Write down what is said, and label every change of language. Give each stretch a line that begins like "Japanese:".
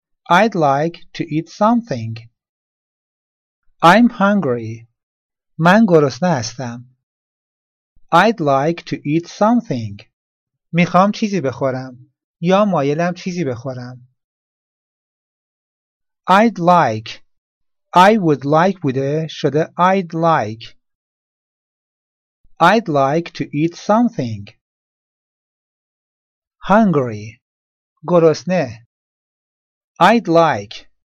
English: I'd like to eat something. I'm hungry.
Persian: من گرسنه هستم.
English: I'd like to eat something.
Persian: میخوام چیزی بخورم یا مایلم چیزی بخورم.
English: I'd like. I would like
Persian: بوده شده
English: I'd like. I'd like to eat something. Hungry.
Persian: گرسنه.
English: I'd like.